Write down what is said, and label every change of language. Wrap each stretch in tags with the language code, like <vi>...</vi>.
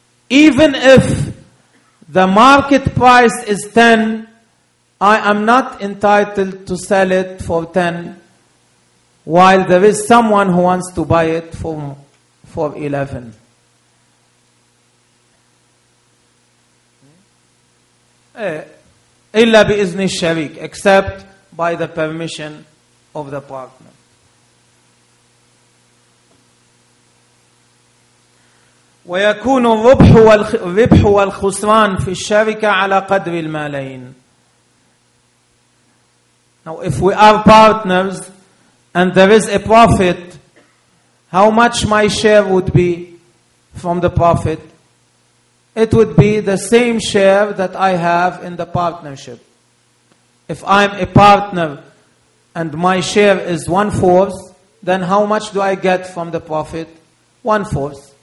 <en>Even if the market price is 10, I am not entitled to sell it for 10, while there is someone who wants to buy it for 11.</en> <ar>إِلَّا بِإِذْنِ الشَّرِيكِ,</ar> <en>except by the permission of the partner.</en> <ar>ويكون الربح والربح والخسران في الشركة على قدر المالين.</ar> <en>Now if we are partners and there is a profit, how much my share would be from the profit? It would be the same share that I have in the partnership. If I'm a partner and my share is 1/4, then how much do I get from the profit? 1/4.</en>